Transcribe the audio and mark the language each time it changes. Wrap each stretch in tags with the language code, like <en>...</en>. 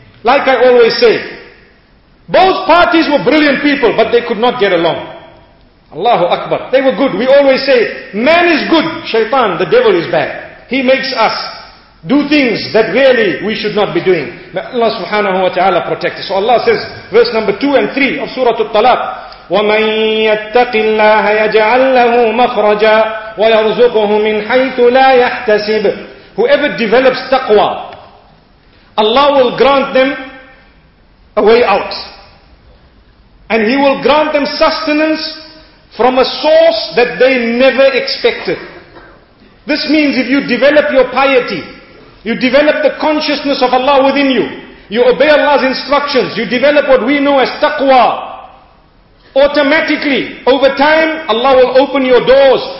<en>Like I always say, both parties were brilliant people, but they could not get along. Allahu Akbar. They were good. We always say, man is good, shaitan, the devil is bad. He makes us do things that really we should not be doing. May Allah subhanahu wa ta'ala protect us. So Allah says, verse number 2 and 3 of Surah At-Talaq,</en> <ar>وَمَن يَتَّقِ اللَّهَ يَجْعَلْ لَهُ مَخْرَجًا وَيَرْزُقُهُ مِنْ حَيْثُ لَا يَحْتَسِبُ.</ar> <en>Whoever develops taqwa, Allah will grant them a way out. And He will grant them sustenance from a source that they never expected. This means if you develop your piety, you develop the consciousness of Allah within you, you obey Allah's instructions, you develop what we know as taqwa, automatically, over time, Allah will open your doors.</en>